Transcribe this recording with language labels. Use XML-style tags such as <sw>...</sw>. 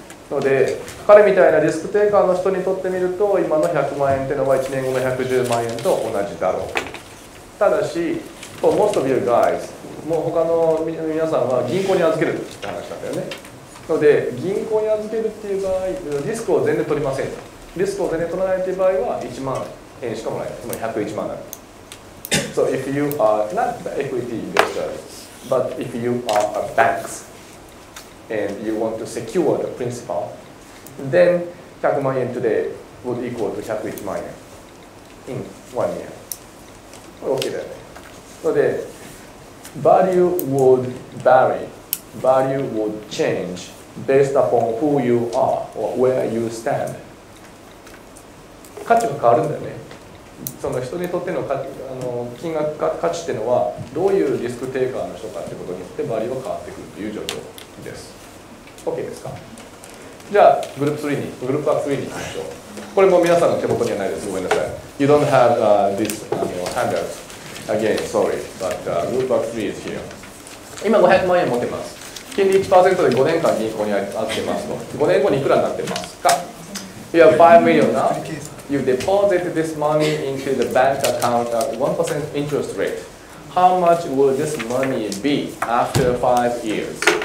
<ja>ので彼みたいなリスクテイカーの人にとってみると、今の100万円っていうのは1年後の110万円と同じだろう。ただし</ja> <en>for most of you guys、</en> <ja>もう他の皆さんは銀行に預けるって話なんだよね。ので銀行に預けるっていう場合、リスクを全然取りません。リスクを全然取らないっていう場合は1万円しかもない。つまり101万になる。</ja> <en>So if you are not the equity investor, but if you are a bank and you want to secure the principal, then 100万円 today would equal to 101万円 in one year.</en> <ja>これ OK だよね。ので、</ja> <en>value would vary. Value would change based upon who you are or where you stand.</en> <ja>価値が変わるんだよね。その人にとっての金額価値っていうのはどういうリスクテイカーの人かってことによってバリューが変わってくるという状況です。OK ですか？じゃあグループ3に、グループワーク3に行きましょう。これも皆さんの手元にはないです。ごめんなさい。</ja> <en>You don't have this handout. Again, sorry, but group ワーク3 is here.</en> <ja>今500万円持ってます。金利 1% で5年間銀行に預けますと。5年後にいくらになってますか？</ja> <en>You have 5 million now. You deposit this money into the bank account at 1% interest rate. How much will this money be after 5 years?</en>